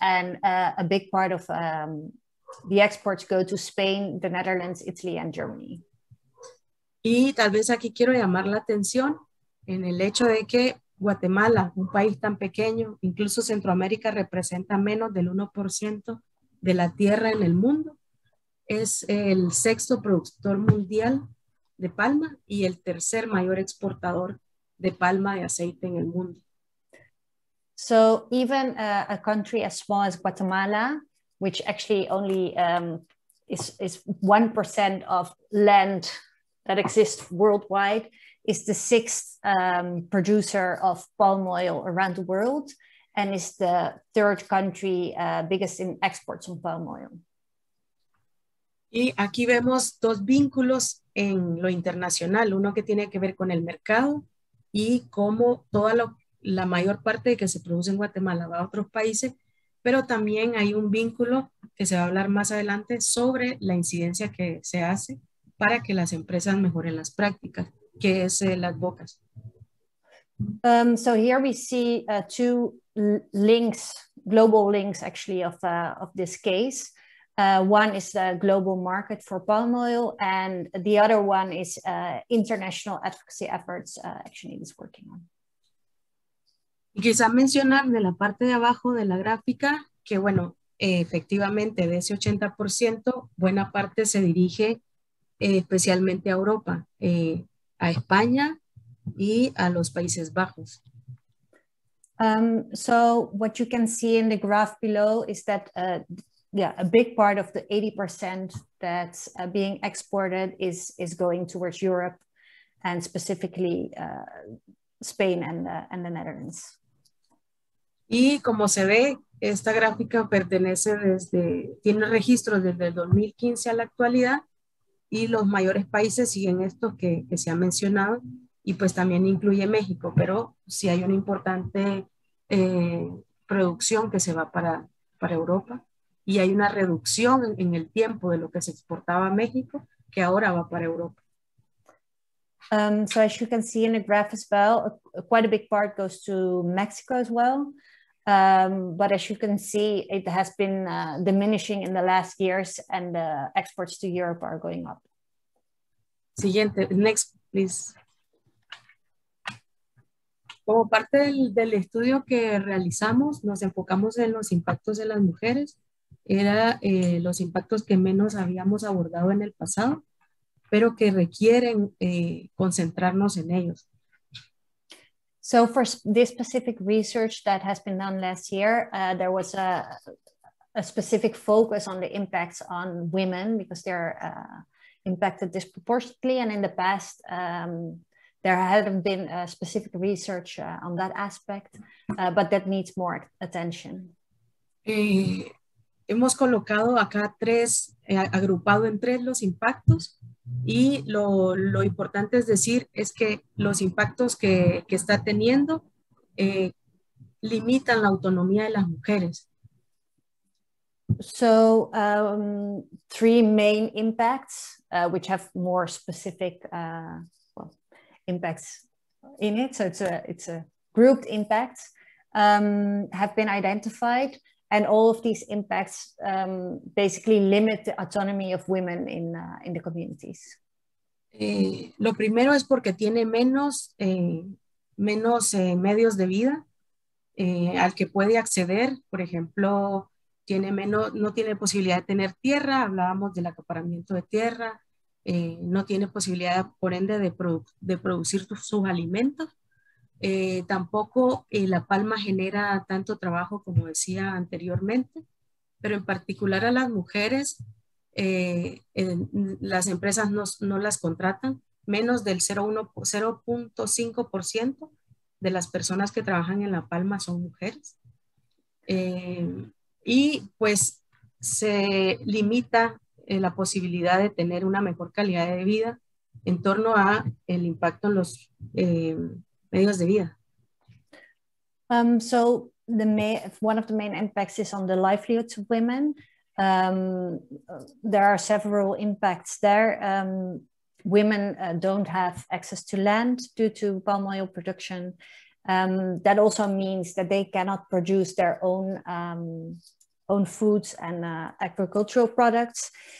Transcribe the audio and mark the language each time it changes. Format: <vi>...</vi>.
<en>And a big part of the exports go to Spain, the Netherlands, Italy, and Germany.</en> <es>Y tal vez aquí quiero llamar la atención en el hecho de que Guatemala, un país tan pequeño, incluso Centroamérica representa menos del 1% de la tierra en el mundo. Es el sexto productor mundial de palma y el tercer mayor exportador de palma y aceite en el mundo.</es> <en>So even a country as small as Guatemala, which actually only is 1% of land that exists worldwide, is the sixth producer of palm oil around the world and is the third country biggest in exports of palm oil.</en> <es>Y aquí vemos dos vínculos en lo internacional, uno que tiene que ver con el mercado y cómo toda la la mayor parte que se produce en Guatemala va a otros países, pero también hay un vínculo que se va a hablar más adelante sobre la incidencia que se hace para que las empresas mejoren las prácticas, que es las bocas.</es> <en>So here we see two links, global links actually of this case. One is the global market for palm oil, and the other one is international advocacy efforts ActionAid is working on.</en> <es>Quizá mencionar de la parte de abajo de la gráfica que, bueno, efectivamente de ese 80%, buena parte se dirige especialmente a Europa, a España y a los Países Bajos.</es> <en>So what you can see in the graph below is that a big part of the 80% that's being exported is going towards Europe and specifically Spain and the Netherlands.</en> <es>Y como se ve, esta gráfica pertenece desde, tiene registros desde el 2015 a la actualidad y los mayores países siguen estos que se han mencionado y pues también incluye México, pero sí hay una importante producción que se va para Europa. Y hay una reducción en el tiempo de lo que se exportaba a México, que ahora va para Europa.</es> <en>So as you can see in the graph as well, quite a big part goes to Mexico as well. But as you can see, it has been diminishing in the last years and the exports to Europe are going up.</en> <es>Siguiente,</es> <en>next, please.</en> <es>Como parte del estudio que realizamos, nos enfocamos en los impactos de las mujeres. Era los impactos que menos habíamos abordado en el pasado, pero que requieren concentrarnos en ellos.</es> <en>So for this specific research that has been done last year, there was a specific focus on the impacts on women because they're impacted disproportionately. And in the past, there hadn't been a specific research on that aspect, but that needs more attention.</en> <es>Hemos colocado acá tres, agrupado en tres los impactos y lo importante es decir es que los impactos que está teniendo limitan la autonomía de las mujeres.</es> <en>So, three main impacts, which have more specific impacts in it, so it's a grouped impact, have been identified. And all of these impacts basically limit the autonomy of women in the communities.</en> <es>Lo primero es porque tiene menos medios de vida al que puede acceder. Por ejemplo, tiene menos, no tiene posibilidad de tener tierra. Hablábamos del acaparamiento de tierra. No tiene posibilidad, por ende, de producir sus alimentos. Tampoco la palma genera tanto trabajo como decía anteriormente, pero en particular a las mujeres, las empresas no las contratan, menos del 0.5% de las personas que trabajan en la palma son mujeres. Y pues se limita la posibilidad de tener una mejor calidad de vida en torno a el impacto en los medios de vida.</es> <en>So the one of the main impacts is on the livelihoods of women. There are several impacts there. Women don't have access to land due to palm oil production. That also means that they cannot produce their own own foods and agricultural products.</en>